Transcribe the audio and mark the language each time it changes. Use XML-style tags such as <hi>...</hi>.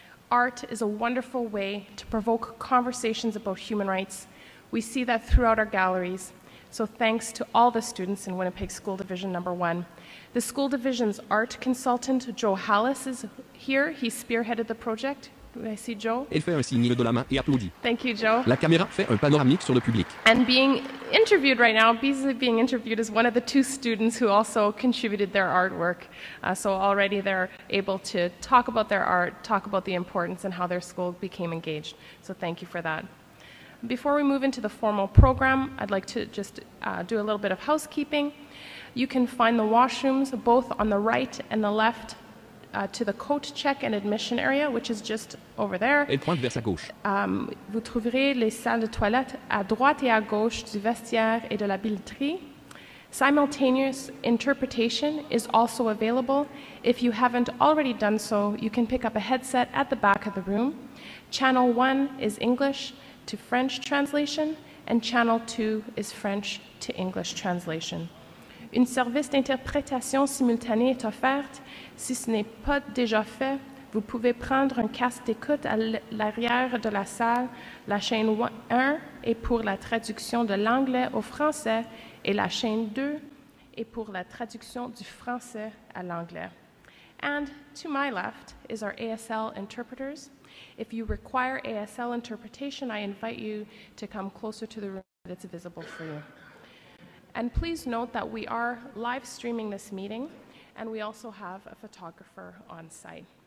<en>Art is a wonderful way to provoke conversations about human rights. We see that throughout our galleries. So thanks to all the students in Winnipeg School Division No. 1. The school division's art consultant, Joe Hallis, is here. He spearheaded the project. I see Joe.</en> <fr>Elle fait un signe de la main et applaudit.</fr> <en>Thank you, Joe.</en> <fr>La caméra fait un panoramique sur le public.</fr> <en>And being interviewed right now, Beasley being interviewed is one of the two students who also contributed their artwork. So already they're able to talk about their art, talk about the importance and how their school became engaged. So thank you for that. Before we move into the formal program, I'd like to just do a little bit of housekeeping. You can find the washrooms both on the right and the left to the coat check and admission area, which is just over there.</en> <fr>Elle pointe vers sa gauche. Vous trouverez les salles de toilettes à droite et à gauche du vestiaire et de la billetterie.</fr> <en>Simultaneous interpretation is also available. If you haven't already done so, you can pick up a headset at the back of the room. Channel 1 is English to French translation, and channel 2 is French to English translation.</en> <fr>Une service d'interprétation simultanée est offerte. Si ce n'est pas déjà fait, vous pouvez prendre un casque d'écoute à l'arrière de la salle. La chaîne 1 est pour la traduction de l'anglais au français, et la chaîne 2 est pour la traduction du français à l'anglais.</fr> <en>And to my left is our ASL interpreters. If you require ASL interpretation, I invite you to come closer to the room that it's visible for you. And please note that we are live streaming this meeting, and we also have a photographer on site.</en>